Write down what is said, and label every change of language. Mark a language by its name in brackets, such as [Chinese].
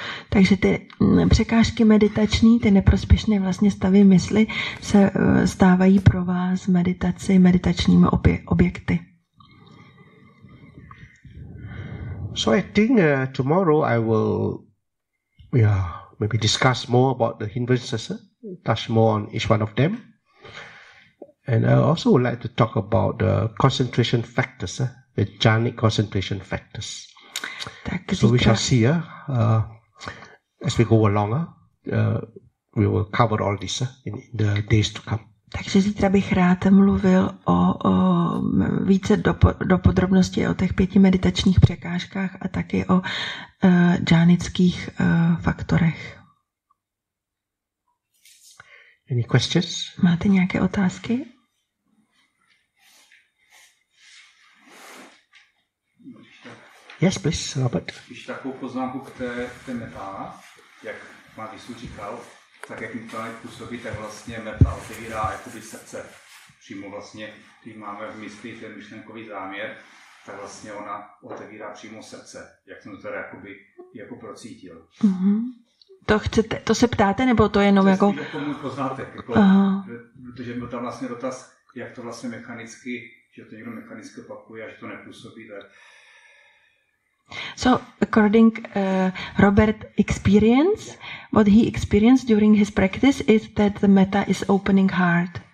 [Czech] Takže ty překážky meditační, ty neprospěšné vlastně stavy mysli se stávají pro vás meditaci meditačními objekty. [English] So I think tomorrow I will maybe discuss more about the hindrances, touch more on each one of them. And I also would like to talk about the concentration factors, the jhanic concentration factors. [Czech] Tak, [English] so we shall see as we go along. We will cover all this in the days to come. [Czech] Takže zítra bych rád mluvil o více do podrobnosti o těch pěti meditačních překážkách a taky o džánických faktorech. [English] Any questions? [Czech] Máte nějaké otázky? [English] Yes, please, Robert. [Czech] Když takovou poznámku k té metá, jak Marty Su říkal, tak jak mi to působí, tak vlastně metá otevírá jakoby srdce. Přímo vlastně, když máme v mysli ten myšlenkový záměr, tak vlastně ona otevírá přímo srdce. Jak jsem to teda jakoby jako procítil. Mm-hmm. To chcete, to se ptáte, nebo to jenom to jako... To je můj poznátek, protože byl tam vlastně dotaz, jak to vlastně mechanicky, že to někdo mechanicky opakuje a že to nepůsobí, tak... [English] So, according Robert's experience, what he experienced during his practice is that the metta is opening heart.